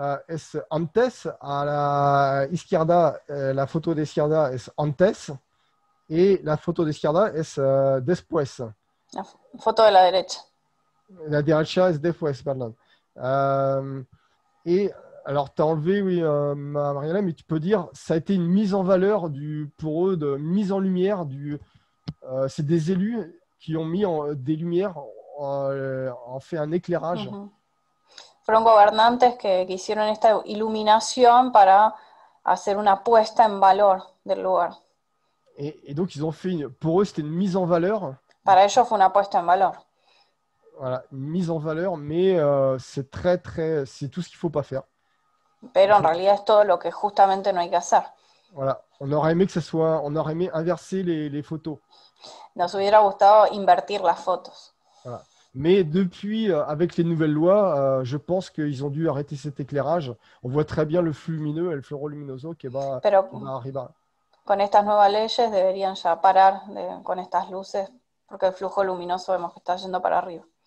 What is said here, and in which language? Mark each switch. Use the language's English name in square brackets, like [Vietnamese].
[Spanish] Es antes a la izquierda, la photo de izquierda es antes et la photo de izquierda es después. La foto de la derecha. La derecha es después, perdón. [French] Et alors, tu as enlevé, oui, Mariana, mais tu peux dire, ça a été une mise en valeur pour eux, de mise en lumière c'est des élus qui ont mis des lumières, ont fait un éclairage. [Spanish] Fueron gobernantes que hicieron esta iluminación para hacer una puesta en valor del lugar. [French] Et donc, ils ont fait, pour eux, c'était une mise en valeur. [Spanish] Para ellos fue una puesta en valor. [French] Voilà, mise en valeur, mais c'est très, très, c'est tout ce qu'il ne faut pas faire. [Spanish] Pero en realidad es todo lo que justamente no hay que hacer. [French] Voilà, on aurait aimé que ce soit, on aurait aimé inverser les photos. [Spanish] Nos hubiera gustado invertir las fotos. [French] Voilà. Mais depuis, avec les nouvelles lois, je pense qu'ils ont dû arrêter cet éclairage. On voit très bien le flux lumineux et le fluorolumineux qui [Spanish] Pero [French] va arriver. [Spanish] con estas nuevas leyes deberían ya parar con estas luces. Porque el flujo luminoso vemos que está yendo para arriba.